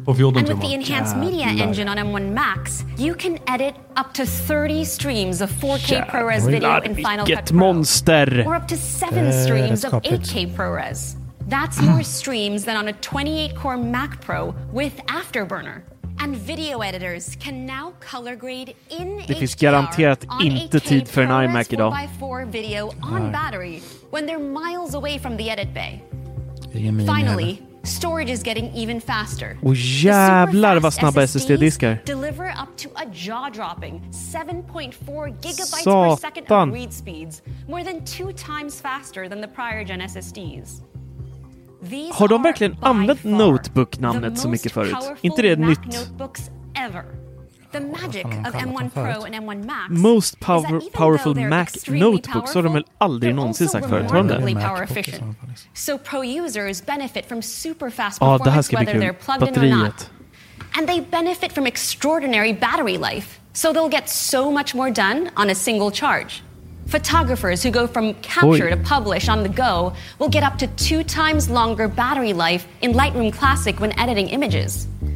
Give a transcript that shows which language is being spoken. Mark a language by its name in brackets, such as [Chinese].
[English] And with the enhanced media engine on M1 Max, you can edit up to 30 streams of 4K ProRes video in Final Cut Pro. Monster. Or up to 7 streams of 8K ProRes. That's more streams than on a 28-core Mac Pro with Afterburner. And video editors can now color grade in HDR. [Swedish] Det finns garanterat inte tid för en iMac idag. [English] Video on battery when they're miles away from the edit bay. Finally, storage is getting even faster. [Swedish] Och jävlar vad snabba SSD-diskar. [English] Deliver up to a jaw-dropping 7.4 gigabytes per second of read speeds, more than 2 times faster than the prior gen SSDs. [Swedish] Har de verkligen använt notebook-namnet så mycket förut? Inte det nytt? [English] The magic of M1 Pro and M1 Max. Most powerful Mac notebooks [Swedish] har de väl aldrig någonsin sagt förut, tror de? [English] So pro users benefit from super fast performance whether they're plugged in or not. And they benefit from extraordinary battery life. So they'll get so much more done on a single charge. Photographers who go from capture to publish on the go will get up to 2 times longer battery life in Lightroom Classic when editing images.